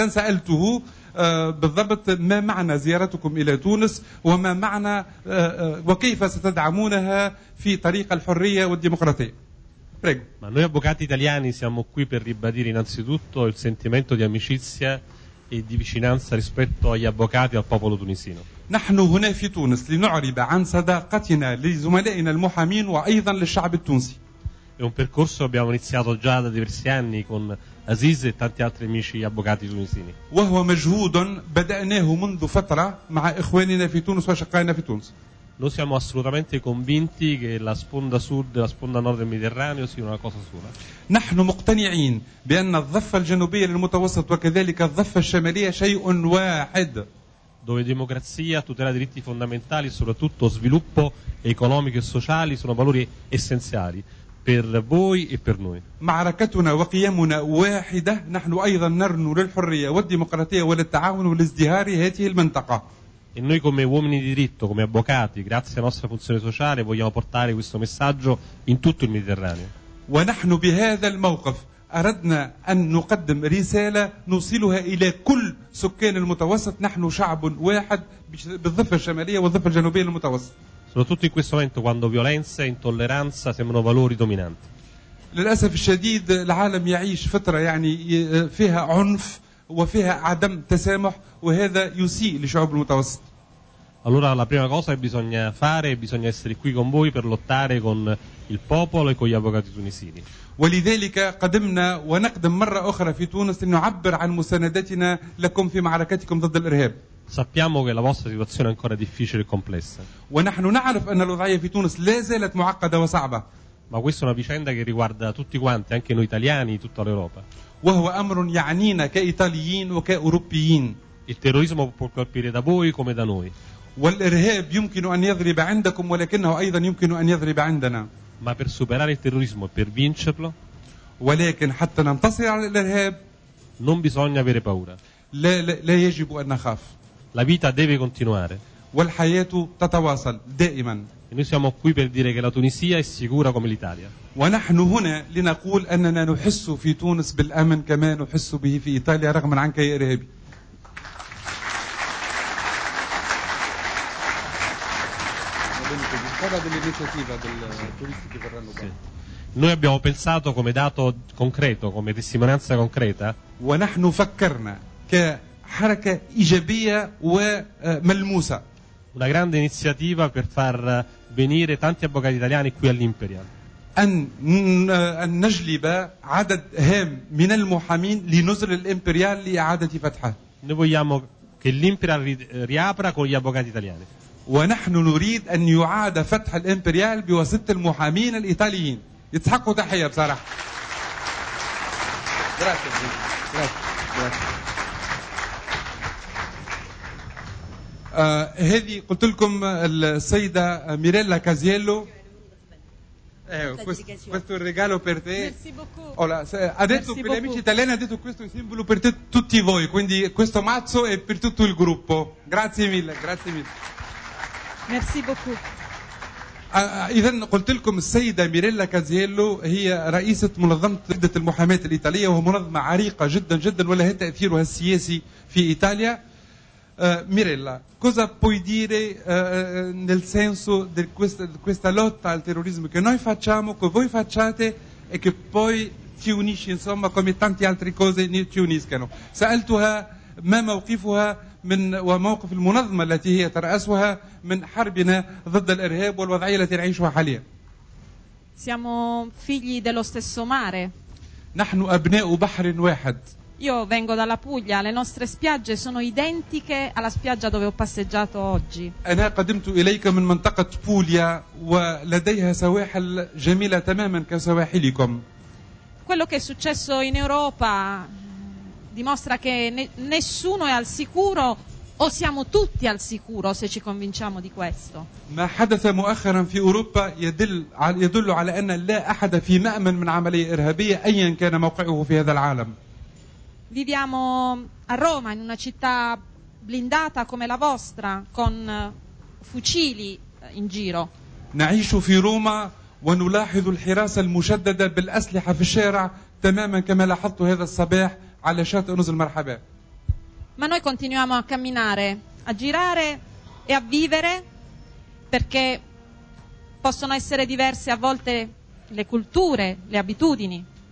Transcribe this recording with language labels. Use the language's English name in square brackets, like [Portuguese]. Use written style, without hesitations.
[Arabic] إذا سألته بالضبط ما معنى زيارتكم إلى تونس وما معنى وكيف ستدعمونها في طريق الحرية والديمقراطية. [Italian] Prego. Ma noi avvocati italiani siamo qui per ribadire innanzitutto il sentimento di amicizia e di vicinanza rispetto agli avvocati al popolo tunisino. [Arabic] نحن هنا في تونس لنعرب عن صداقتنا لزملائنا المحامين وأيضا للشعب التونسي. [Italian] È un percorso che abbiamo iniziato già da diversi anni con Aziz e tanti altri amici avvocati tunisini. [Arabic] وهو مجهود بدأناه منذ فترة مع إخواننا في تونس وشقائنا في تونس. [Italian] Noi siamo assolutamente convinti che la sponda sud e la sponda nord del Mediterraneo siano una cosa sola. [Arabic] نحن مقتنعين بأن الضفة الجنوبية للمتوسط وكذلك الضفة الشمالية شيء واحد. [Italian] Dove democrazia, tutela dei diritti fondamentali e soprattutto sviluppo economico e sociale sono valori essenziali per voi e per noi. [Arabic] معركتنا وقيمنا واحدة نحن أيضا نرنو للحرية والديمقراطية وللتعاون والازدهار هذه المنطقة. [Italian] E noi come uomini di diritto, come avvocati, grazie alla nostra funzione sociale, vogliamo portare questo messaggio in tutto il Mediterraneo. [Arabic] ونحن بهذا الموقف أردنا أن نقدم رسالة نوصلها إلى كل سكان المتوسط. نحن شعب واحد بالضفة الشمالية والضفة الجنوبية للمتوسط. [Italian] Soprattutto in questo momento quando violenza e intolleranza sembrano valori dominanti. [Arabic] للأسف الشديد العالم يعيش فترة يعني فيها عنف وفيها عدم تسامح وهذا يسيء لشعوب المتوسط. [Italian] Allora la prima cosa che bisogna fare è bisogna essere qui con voi per lottare con il popolo e con gli avvocati tunisini. [Arabic] ولذلك قدمنا ونقدم مرة أخرى في تونس لنعبر عن مساندتنا لكم في معركتكم ضد الإرهاب. [Italian] Sappiamo che la vostra situazione è ancora difficile e complessa. [Arabic] ونحن نعرف أن الوضعية في تونس لا زالت معقدة وصعبة. [Italian] Ma questa è una vicenda che riguarda tutti quanti, anche noi italiani, tutta l'Europa. [Arabic] وهو أمر يعنينا كإيطاليين وكأوروبيين. [Italian] Il terrorismo può colpire da voi come da noi. [Arabic] والإرهاب يمكن أن يضرب عندكم ولكنه أيضا يمكن أن يضرب عندنا. [Italian] Ma per superare il terrorismo e per vincerlo, [Arabic] ولكن حتى ننتصر على الإرهاب, [Italian] non bisogna avere paura. [Arabic] لا يجب أن نخاف. [Italian] La vita deve continuare. [Arabic] والحياة تتواصل دائما. [Italian] E noi siamo qui per dire che la Tunisia è sicura come l'Italia. [Arabic] ونحن هنا لنقول أننا نحس في تونس بالأمن كما نحس به في إيطاليا رغم عنك يا إرهابي. [Italian] Noi abbiamo pensato come dato concreto, come testimonianza concreta, [Arabic] ونحن فكرنا كحركة إيجابية وملموسة, [Italian] una grande iniziativa per far venire tanti avvocati italiani qui all'Imperial, [Arabic] أن نجلب عدد هام من المحامين لنزل الإمبريال لإعادة فتحه. [Italian] Noi vogliamo che l'Imperial riapra con gli avvocati italiani. [Arabic] ونحن نريد أن يعاد فتح الإمبريال بواسطة المحامين الإيطاليين. يتحقوا تحية بصراحة. هذه قلت لكم السيدة ميريلا كازيلو. [Italian] Questo è un regalo per te. Ha detto per gli amici italiani, ha detto questo è un simbolo per te, tutti voi, quindi questo mazzo è per tutto il gruppo. Grazie mille. [French] Merci beaucoup. [Arabic] إذن قلت لكم السيدة ميريلا كازيلو هي رئيسة منظمة عدة المحاماة الإيطالية, وهي منظمة عريقة جدا ولها تأثيرها السياسي في إيطاليا. [Italian] ميريلا, cosa puoi dire nel senso di questa lotta al terrorismo che noi facciamo, che voi facciate e che poi ci unisce, insomma, come tante altre cose ci uniscono. [Arabic] سألتها ما موقفها من وموقف المنظمة التي هي ترأسها من حربنا ضد الإرهاب والوضعية التي نعيشها حاليا. [Italian] Siamo figli dello stesso mare. [Arabic] نحن أبناء بحر واحد. [Italian] Io vengo dalla Puglia, le nostre spiagge sono identiche alla spiaggia dove ho passeggiato oggi. [Arabic] أنا قدمت إليك من منطقة بوليا ولديها سواحل جميلة تماما كسواحلكم. [Italian] Quello che è successo in Europa dimostra che nessuno è al sicuro, o siamo tutti al sicuro se ci convinciamo di questo. [Arabic] ما حدث مؤخرا في أوروبا يدل على أن لا أحد في مأمن من عملية إرهابية أيا كان موقعه في هذا العالم. [Italian] Viviamo a Roma in una città blindata come la vostra con fucili in giro. [Arabic] نعيش في روما ونلاحظ الحراسة المشددة بالأسلحة في الشارع تماما كما لاحظت هذا الصباح على شاطئ نزل مرحبا. [Italian] Ma noi continuiamo a camminare, a girare e a vivere perché possono essere diverse a volte le culture, le abitudini.